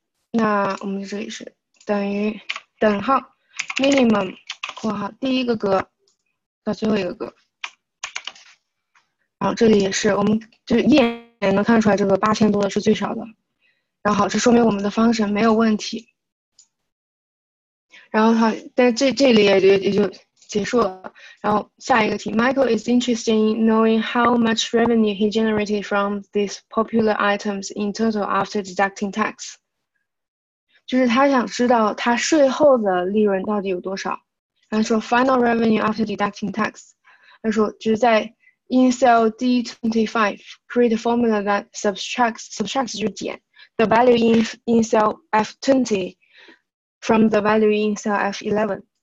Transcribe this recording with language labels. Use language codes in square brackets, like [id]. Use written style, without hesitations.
[zh] 那我们这里是等于等号 minimum 括号第一个格到最后一个格，然后这里也是我们就是一眼能看出来这个8000多的是最少的。然后好，这说明我们的function没有问题。然后好，但这里也就结束了。然后下一个题 [en] ，Michael is interested in knowing how much revenue he generated from these popular items in total after deducting tax。 [zh] 就是他想知道他税后的利润到底有多少。他说 [en] final revenue after deducting tax， [zh] 他说就是在 [en] in cell D25 create a formula that subtracts [zh] 就是减 [en] the value in cell F20 from the value in cell F11。